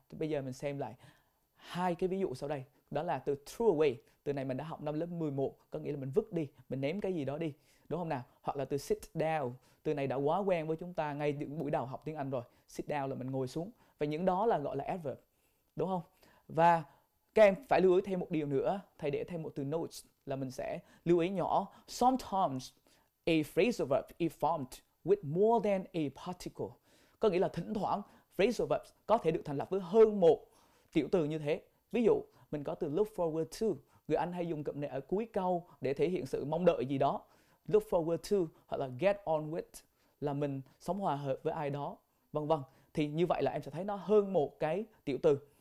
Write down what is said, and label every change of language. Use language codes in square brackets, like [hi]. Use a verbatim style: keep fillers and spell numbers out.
[vi] Thì bây giờ mình xem lại hai cái ví dụ sau đây. Đó là từ throw away, từ này mình đã học năm lớp mười một, có nghĩa là mình vứt đi, mình ném cái gì đó đi, đúng không nào? Hoặc là từ sit down, từ này đã quá quen với chúng ta ngay từ buổi đầu học tiếng Anh rồi. Sit down là mình ngồi xuống. Và những đó là gọi là adverb, đúng không? Và các em phải lưu ý thêm một điều nữa, thầy để thêm một từ notes là mình sẽ lưu ý nhỏ. [en] Sometimes a phrasal verb is formed with more than a particle. [vi] Có nghĩa là thỉnh thoảng phrasal verbs có thể được thành lập với hơn một tiểu từ như thế. Ví dụ mình có từ look forward to, người Anh hay dùng cụm này ở cuối câu để thể hiện sự mong đợi gì đó. Look forward to, hoặc là get on with, là mình sống hòa hợp với ai đó, vân vân. Thì như vậy là em sẽ thấy nó hơn một cái tiểu từ.